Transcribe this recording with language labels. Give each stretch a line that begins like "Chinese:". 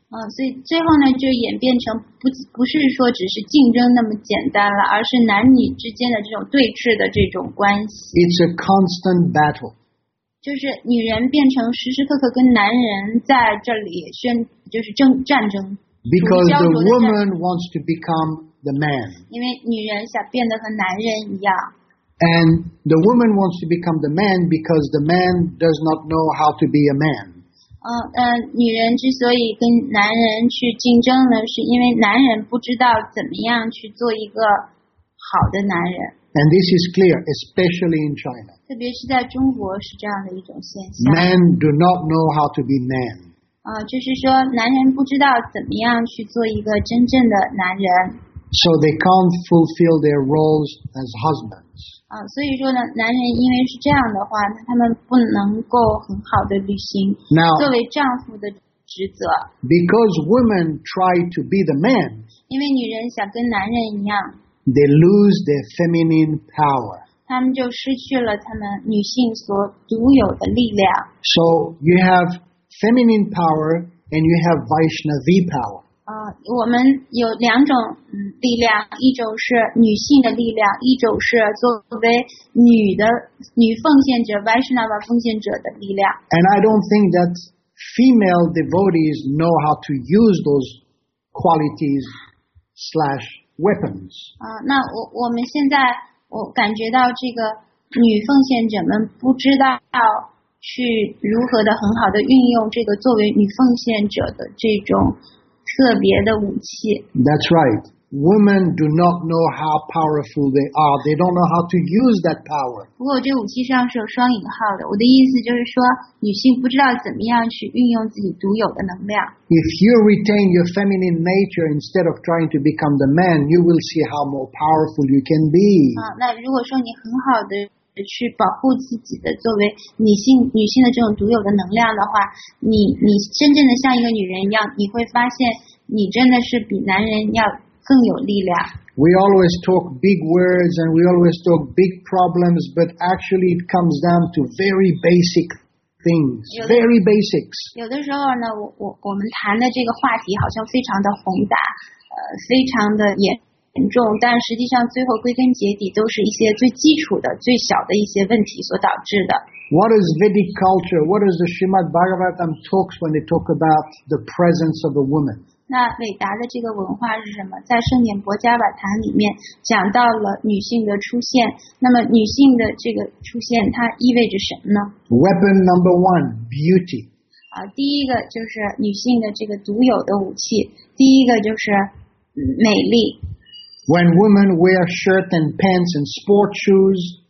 Chinese: 所以最后呢就演变成不是说只是竞争那么简单了，而是男女之间的这种对峙的这种关系。
English: It's a constant battle.
Chinese: 就是女人变成时时刻刻跟男人在这里就是战争。
English: Because the woman wants to become the man.
Chinese: 因为女人想变得和男人一样。
English: And the woman wants to become the man because the man does not know how to be a man.
Chinese: 女人之所以跟男人去竞争呢，是因为男人不知道怎么样去做一个好的男人。
English: And this is clear, especially in China.
Chinese: 特别是在中国是这样的一种现象。
English: Men do not know how to be man.
Chinese: 就是说男人不知道怎么样去做一个真正的男人。
English: So they can't fulfill their roles as husbands.
Chinese: 所以说呢，男人因为是这样的话，他们不能够很好的履行作为丈夫的职责。
English: Because women try to be the man,
Chinese: 因为女人想跟男人一样
English: they lose their feminine power.
Chinese: 他们就失去了他们女性所独有的力量。
English: So you have feminine power and you have Vaishnavi power.
Chinese: 我们有两种力量，一种是女性的力量，一种是作为女奉献者 Vaishnava 奉献者的力量。
English: And I don't think that female devotees know how to use those qualities/weapons.
Chinese: 那我们现在我感觉到这个女奉献者们不知道去如何的很好的运用这个作为女奉献者的这种。特别的武器。
English: That's right. Women do not know how powerful they are. They don't know how to use that power.
Chinese: 不过这武器上是有双引号的。我的意思就是说，女性不知道怎么样去运用自己独有的能量。
English: If you retain your feminine nature instead of trying to become the man, you will see how more powerful you can be.
Chinese: 那如果说你很好的去保护自己的作为女性的这种独有的能量的话，你真正的像一个女人一样，你会发现你真的是比男人要更有力量。
English: We always talk big words and we always talk big problems, but actually it comes down to very basic things, very basics.
Chinese: 有的时候呢，我们谈的这个话题好像非常的宏大，非常的严重，但实际上最后归根结底都是一些最基础的、最小的一些问题所导致的。
English: What is Vedic culture? What is the Srimad Bhagavatam talks when they talk about the presence of a woman?
Chinese: 那韦达的这个文化是什么？在圣典博迦瓦坛里面讲到了女性的出现。那么女性的这个出现，它意味着什么呢
English: ？Weapon number one, beauty.
Chinese: 第一个就是女性的这个独有的武器。第一个就是美丽。
English: When women wear shirt and pants and sport shoes,